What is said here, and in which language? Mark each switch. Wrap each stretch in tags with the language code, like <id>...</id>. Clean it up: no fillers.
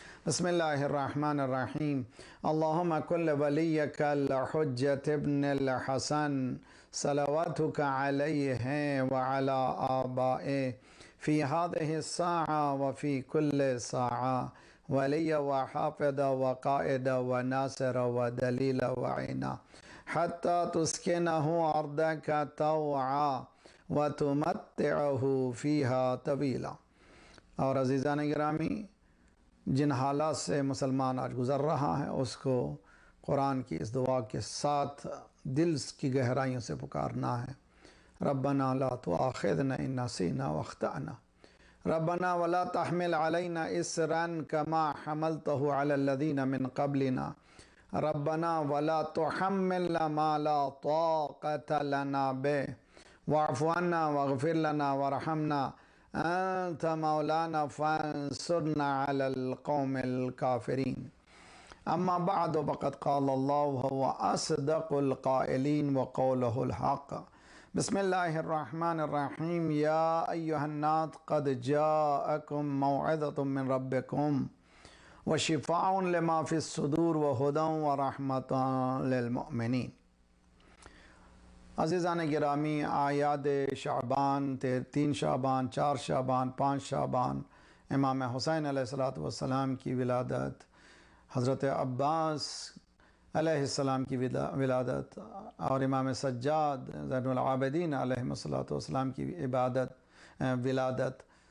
<ar>بسم اللہ الرحمن الرحیم. اللہم کل ولیک الحجت ابن الحسن صلواتک علیہ وعلی آبائے فی هذه الساعہ وفی کل ساعہ ولی وحافظ وقائد وناصر ودلیل وعینا حتی تسکنہ ارضک طوعا وتمتعه فيها طويلا.</ar> <ur>اور عزیزان گرامی، جن حالات سے مسلمان آج گزر رہا ہے اس کو قرآن کی اس دعا کے ساتھ دل کی گہرائیوں سے پکارنا ہے.</ur> <ar>ربنا لا تؤاخذنا ان نسينا واخطأنا، ربنا ولا تحمل علينا اسرا كما حملته على الذين من قبلنا، ربنا ولا تحملنا ما لا طاقة لنا به، واعف عنا واغفر لنا وارحمنا، انت مولانا فانصرنا على القوم الكافرين. اما بعد، فقد قال الله هو اصدق القائلين وقوله الحق. بسم الله الرحمن الرحيم. يا ايها الناس قد جاءكم موعظة من ربكم وشفاء لما في الصدور وهدى ورحمة للمؤمنين.</ar> <ur>عزیزان گرامی، آیات شعبان، تین شعبان، چار شعبان، پانچ شعبان، امام حسین علیہ الصلوۃ والسلام کی ولادت، حضرت عباس علیہ السلام کی ولادت، اور امام سجاد زین العابدین علیہ الصلوۃ والسلام کی عبادت ولادت.</ur>